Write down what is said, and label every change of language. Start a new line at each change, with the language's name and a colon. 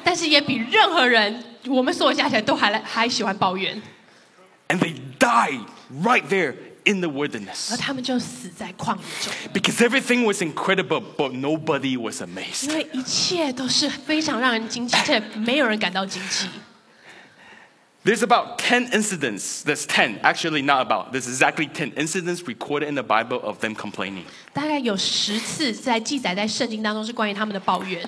Chinese: 但是也比任何人，我们所有加起来都还喜欢抱怨。
English: And they died right there in the wilderness.
Chinese: 而他们就死在旷野中。
English: Because everything was incredible, but nobody was amazed.
Chinese: 因为一切都是非常让人惊奇，却没有人感到惊奇。
English: There's about 10 incidents. There's 10, actually not about. There's exactly 10 incidents recorded in the Bible of them complaining.
Chinese: 大概有十次在记载在圣经当中是关于他们的抱怨。